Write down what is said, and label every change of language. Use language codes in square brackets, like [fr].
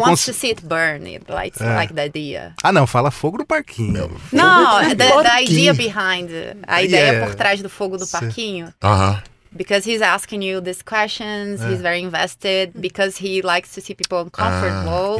[en] wants to see it burn, like the idea. [pt] Ah, não. Fala fogo no parquinho. Não, [en] the idea behind. [pt] A ideia por trás do fogo do parquinho. Uh-huh. [en] Because he's asking you these questions, he's very invested, because he likes to see people uncomfortable.